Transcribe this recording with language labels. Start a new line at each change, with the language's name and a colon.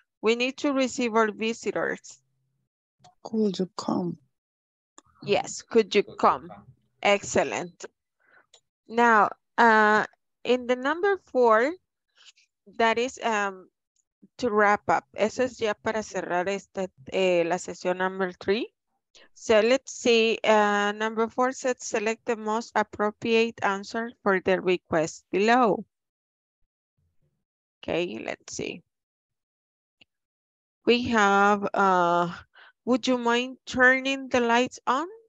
English: We need to receive our visitors. Could you come? Yes, could you come? Excellent. Now, in the number four, that is to wrap up.
Spanish: Eso es ya para cerrar esta, la sesión number three.
English: So let's see, number four said select the most appropriate answer for the request below. Okay, let's see. We have, would you mind turning the lights on?